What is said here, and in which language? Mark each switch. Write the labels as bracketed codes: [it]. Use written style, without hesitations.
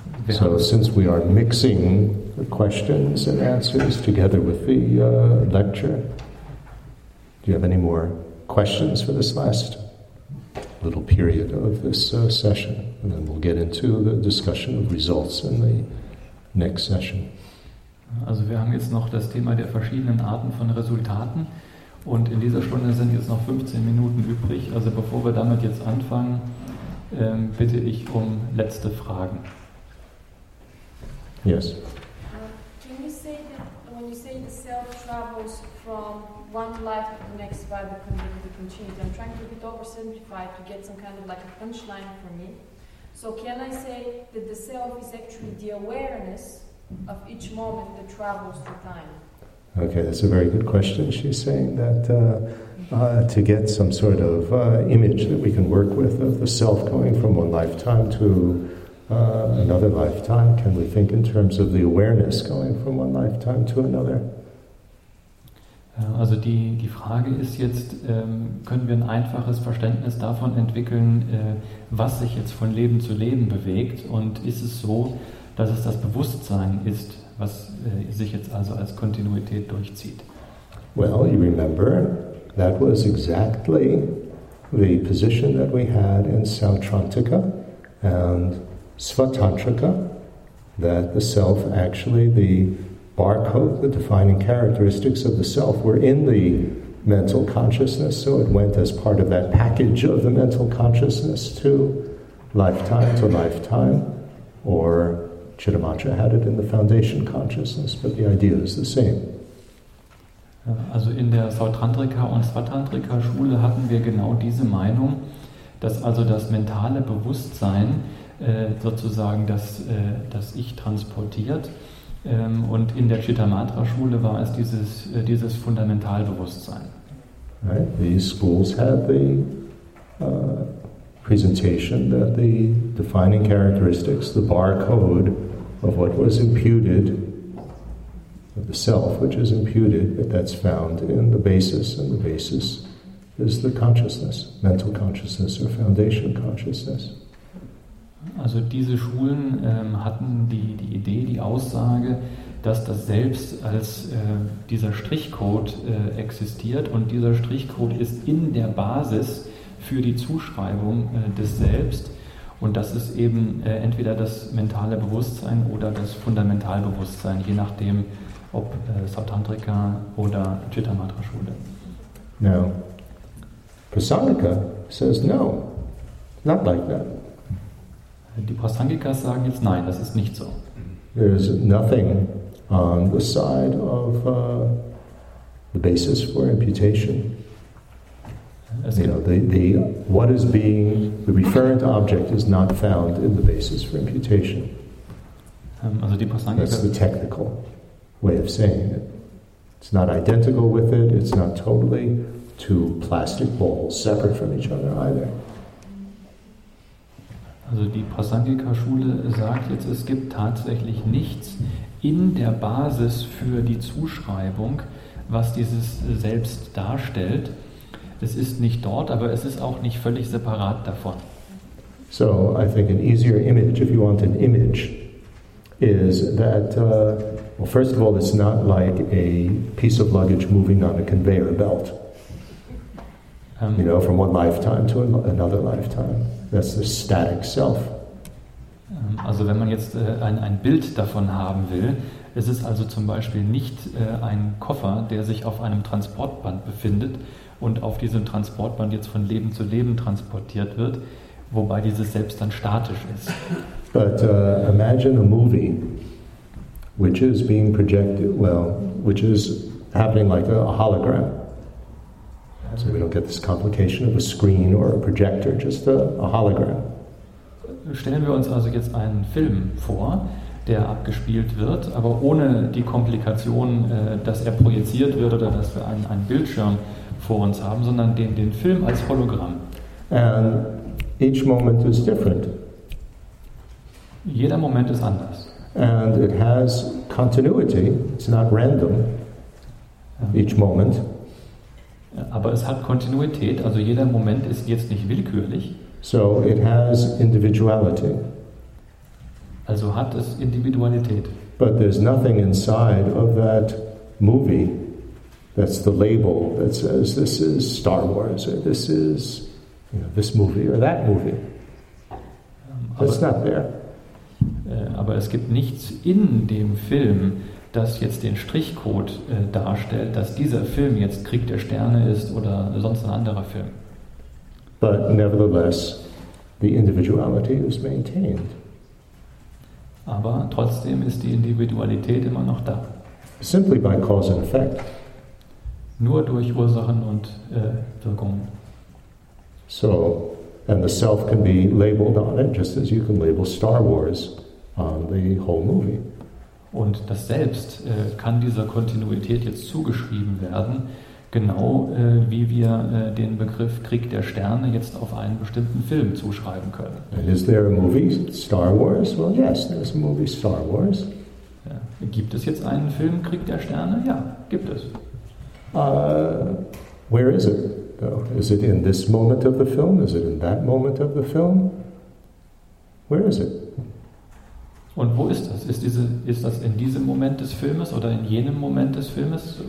[en] So since we are mixing the questions and answers together with the lecture, do you have any more questions for this last little period of this session? And then we'll get into the discussion of results in the next session. [de] Also wir haben jetzt noch das Thema der verschiedenen Arten von Resultaten und in dieser Stunde sind jetzt noch 15 Minuten übrig. Also bevor wir damit jetzt anfangen, bitte ich um letzte Fragen. [en] Yes. Can you say that when you say the self travels from one life to the next by the continuity, I'm trying to be oversimplified to get some kind of like a punchline for me. So can I say that the self is actually the awareness of each moment that travels through time? Okay, that's a very good question. She's saying that to get some sort of image that we can work with of the self going from one lifetime to another lifetime, can we think in terms of the awareness going from one lifetime to another? [de] Also die Frage ist jetzt, können wir ein einfaches Verständnis davon entwickeln, was sich jetzt von Leben zu Leben bewegt? Und ist es so, dass es das Bewusstsein ist, was sich jetzt also als Kontinuität durchzieht? [en] Well, you remember, that was exactly the position that we had in Sautrantika and Svatantrika, that the self actually the barcode, the defining characteristics of the self were in the mental consciousness, so it went as part of that package of the mental consciousness to lifetime, or Chittamatra had it in the foundation consciousness, but the idea is the same. [de] Also in der Sautrantrika und Svatantrika Schule hatten wir genau diese Meinung, dass also das mentale Bewusstsein sozusagen das Ich transportiert. Und in der Chittamatra-Schule war es dieses Fundamentalbewusstsein. [en] Right. These schools had the presentation that the defining characteristics, the barcode of what was imputed, of the self, which is imputed, that's found in the basis, and the basis is the consciousness, mental consciousness or foundation consciousness. [de] Also diese Schulen hatten die Idee, die Aussage, dass das Selbst als dieser Strichcode existiert und dieser Strichcode ist in der Basis für die Zuschreibung des Selbst und das ist eben entweder das mentale Bewusstsein oder das Fundamentalbewusstsein, je nachdem, ob Sautantrika oder Chittamatra-Schule. [en] Now, Prasangika says no, not like that. [de] Die Prasangikas sagen jetzt nein, das ist nicht so. [en] There is nothing on the side of the basis for imputation. You know, the referent object is not found in the basis for imputation. [de] Also die Prasangikas. [en] That's the technical way of saying it. It's not identical with it. It's not totally two plastic balls separate from each other either. [de] Also die Prasangika-Schule sagt jetzt, es gibt tatsächlich nichts in der Basis für die Zuschreibung, was dieses Selbst darstellt. Es ist nicht dort, aber es ist auch nicht völlig separat davon. [en] So, I think an easier image, if you want an image, is that Well, first of all, it's not like a piece of luggage moving on a conveyor belt. You know, from one lifetime to another lifetime. That's the static self. [de] Also wenn man jetzt ein Bild davon haben will, es ist also zum Beispiel nicht ein Koffer, der sich auf einem Transportband befindet und auf diesem Transportband jetzt von Leben zu Leben transportiert wird, wobei dieses Selbst dann statisch ist. [en] But imagine a movie which is being projected, well, which is happening like a hologram. So we don't get this complication of a screen or a projector, just a hologram. [de] Stellen wir uns also jetzt einen Film vor, der abgespielt wird, aber ohne die Komplikation, dass er projiziert wird oder dass wir einen Bildschirm vor uns haben, sondern den Film als Hologramm. [en] And each moment is different. [de] Jeder Moment ist anders. [en] And it has continuity, it's not random, each moment. [de] Aber es hat Kontinuität, also jeder Moment ist jetzt nicht willkürlich. [en] So it has individuality. [de] Also hat es Individualität. [en] But there's nothing inside of that movie that's the label that says this is Star Wars or this is, you know, this movie or that movie. It's not there. [de] Aber es gibt nichts in dem Film, das jetzt den Strichcode darstellt, dass dieser Film jetzt Krieg der Sterne ist oder sonst ein anderer Film. [en] But nevertheless, the individuality is maintained. [de] Aber trotzdem ist die Individualität immer noch da. [en] Simply by cause and effect. [de] Nur durch Ursachen und Wirkungen. [en] So, and the self can be labeled on it, just as you can label Star Wars on the whole movie. [de] Und das Selbst kann dieser Kontinuität jetzt zugeschrieben werden, genau wie wir den Begriff Krieg der Sterne jetzt auf einen bestimmten Film zuschreiben können. [en] And is there a movie Star Wars? Well, yes, there's a movie Star Wars. [de] Ja. Gibt es jetzt einen Film Krieg der Sterne? Ja, gibt es. [en] Where is it, though? Is it in this moment of the film? Is it in that moment of the film? Where is it? [de] Und wo ist das? Ist das in diesem Moment des Filmes oder in jenem Moment des Filmes?